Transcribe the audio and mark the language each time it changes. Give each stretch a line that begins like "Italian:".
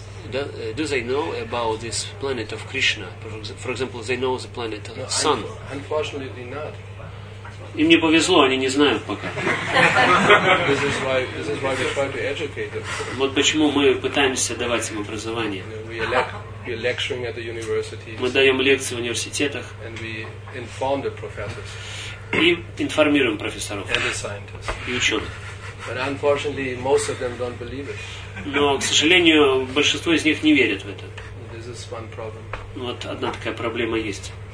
English: Do they know about this planet of Krishna? For example, they know the planet of the Sun. Unfortunately, not.
Russian: Им не повезло, они не знают пока.
English: This is why we try to educate them.
Russian: Вот почему мы пытаемся давать им образование.
English: We are lecturing at the universities.
Russian: Мы даем лекции в университетах.
English: And we inform the professors.
Russian: И информируем профессоров.
English: And the scientists.
Russian: И ученых.
English: But unfortunately, most of them don't believe it.
Russian: Но, к сожалению, большинство из них не верят в это.
English: This is one problem.
Russian: Вот одна такая проблема есть.